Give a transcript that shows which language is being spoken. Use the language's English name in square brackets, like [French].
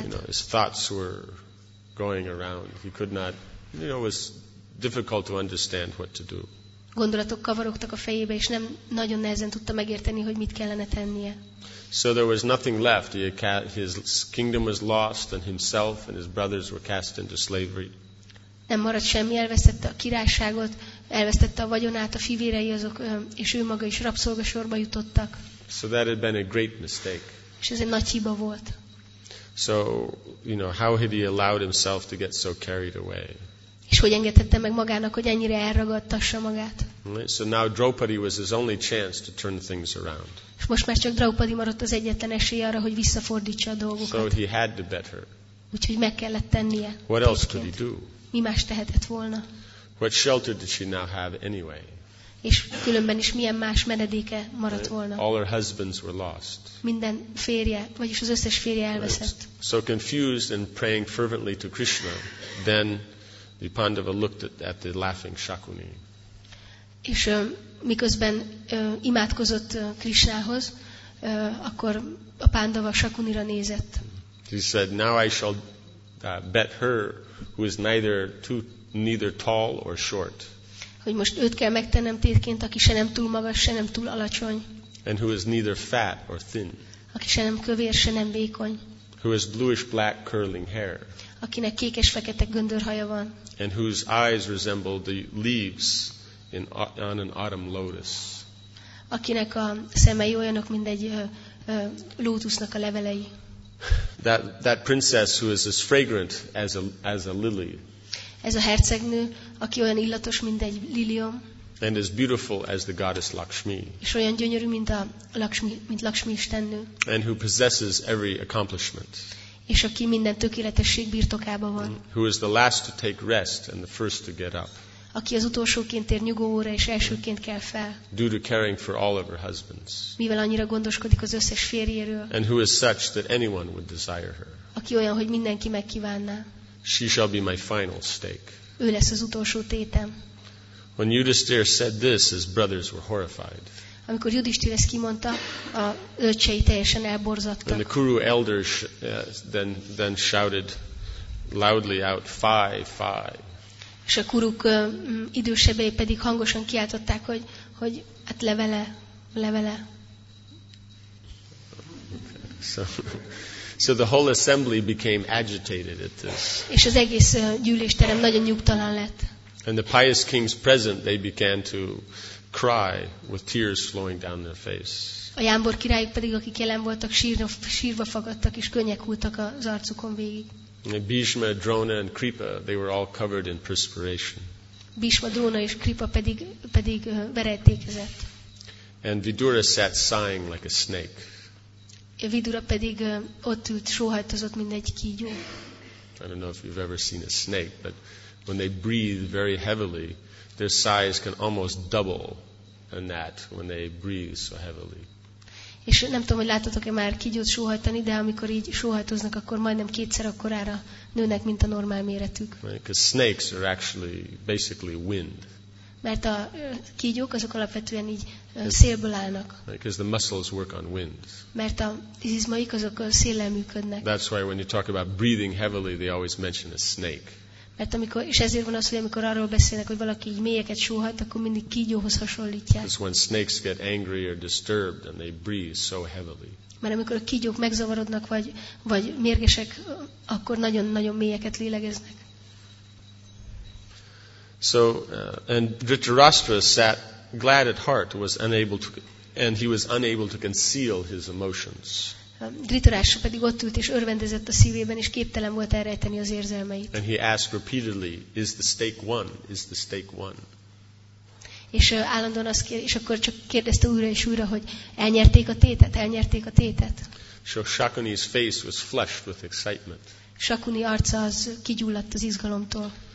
[English] You know, his thoughts were going around. He could not, you know, it was difficult to understand what to do. [Hungarian] Gondolatok kavarogtak a fejébe, és nem nagyon nehezen tudta megérteni, hogy mit kellene tennie. [English] So there was nothing left. His kingdom was lost, and himself and his brothers were cast into slavery. [Hungarian] Nem maradt semmi, elvesztette a királyságot, elvesztette a vagyonát, a fivérei azok, és ő maga is rabszolgasorba jutottak. [English] So that had been a great mistake. [Hungarian] És ez egy nagy hiba volt. [English] So, you know, how had he allowed himself to get so carried away? [Hungarian] És hogy engedhette meg magának, hogy ennyire elragadtassa magát. [English] So now Draupadi was his only chance to turn things around. [Hungarian] És most már csak Draupadi maradt az egyetlen esélye arra, hogy visszafordítsa a dolgokat. [English] So he had to bet her. [Hungarian] Úgyhogy meg kellett tennie. [English] What else could he do? [Hungarian] Mi más tehetett volna? [English] What shelter did she now have anyway? [Hungarian] És különben is milyen más menedéke maradt volna? [English] All her husbands were lost. [Hungarian] Minden férje, vagyis az összes férje elveszett. [English] So confused and praying fervently to Krishna, then the Pandava looked at the laughing Shakuni. [Hungarian] És miközben imádkozott Krishnához, akkor a Pandava Shakunira nézett. [English] He said, "Now I shall bet her, who is neither tall or short." [Hungarian] hogy most őt kell megtennem tétként, aki se nem túl magas, se nem túl alacsony. [English] And who is neither fat or thin. [Hungarian] Aki se nem kövér, se nem vékony. [English] Who has bluish black curling hair. [Hungarian] Akinek kékes fekete göndörhaja van. [English] And whose eyes resemble the leaves in, on an autumn lotus. [Hungarian] Akinek a szemei olyanok, mint egy lótusznak a levelei. [English] That princess who is as fragrant as a lily. [Hungarian] Ez a hercegnő, aki olyan illatos, mint egy lilium. [English] And as beautiful as the goddess Lakshmi. [Hungarian] És olyan gyönyörű, mint a Lakshmi, mint Lakshmi istennő. [English] And who possesses every accomplishment. [Hungarian] És aki minden tökéletesség birtokában van. [English] Who is the last to take rest and the first to get up. [Hungarian] Aki az utolsóként ér nyugóra és elsőként kell fel. [English] Due to caring for all of her husbands. [Hungarian] Mivel annyira gondoskodik az összes férjéről. [English] And who is such that anyone would desire her. [Hungarian] Aki olyan, hogy mindenki megkívánná. [English] She shall be my final steak. [Hungarian] Ő lesz az utolsó tétem. [English] When Yudhisthira said this, his brothers were horrified. [Hungarian] Amikor Yudhisthira ezt kimondta, a öcsei teljesen elborzadtak. [English] And the Kuru elders then shouted loudly out, "Fie, fie!" [Hungarian] És a kuruk idősebbei pedig hangosan kiáltották, hogy hát levele, levele. [English] So the whole assembly became agitated at this. [Hungarian] És az egész gyűlésterem nagyon nyugtalan lett. [English] And the pious kings present, they began to cry with tears flowing down their face. [Hungarian] A jámbor királyok pedig, akik jelen voltak, sírva fakadtak és könnyek hultak az arcukon végig. [English] Bhishma, Drona and Kripa, they were all covered in perspiration. [Hungarian] Bhishma, Drona és Kripa pedig verejtékezett. [English] And Vidura sat sighing like a snake. [Hungarian] Vidura pedig ott ült, sóhajtozott, mint egy kígyó. [English] I don't know if you've ever seen a snake, but when they breathe very heavily, their size can almost double than that when they breathe so heavily. [Hungarian] És nem tudom, hogy láttatok-e már kígyót sóhajtani, de amikor így sóhajtoznak, akkor majdnem kétszer akkorára nőnek, mint a normál méretük. [English] Because snakes are actually basically wind. [Hungarian] Mert a kígyók azok alapvetően így szélből állnak. [English] Because the muscles work on wind. [Hungarian] Mert a izmaik azok széllel működnek. [English] That's why when you talk about breathing heavily, they always mention a snake. [Hungarian] Mert amikor, és ezért van az, hogy amikor arról beszélnek, hogy valaki így mélyeket sóhajt, akkor mindig kígyóhoz hasonlítják. [English] When snakes get angry or disturbed and they breathe so heavily. [Hungarian] Mert amikor a kígyók megzavarodnak vagy mérgesek, akkor nagyon-nagyon mélyeket lélegeznek. [English] So and Dhritarashtra sat glad at heart, was unable to conceal his emotions. [Hungarian] Dhritarashtra pedig ott ült és örvendezett a szívében, és képtelen volt elrejteni az érzelmeit. [English] And he asked repeatedly, "Is the stake won? Is the stake won?" [Hungarian] És állandóan azt kérdezte, és akkor csak kérdezte újra és újra, hogy elnyerték a tétet, elnyerték a tétet. [English] So Shakuni's face was flushed with excitement. [Hungarian] Shakuni arca az kigyulladt az izgalomtól.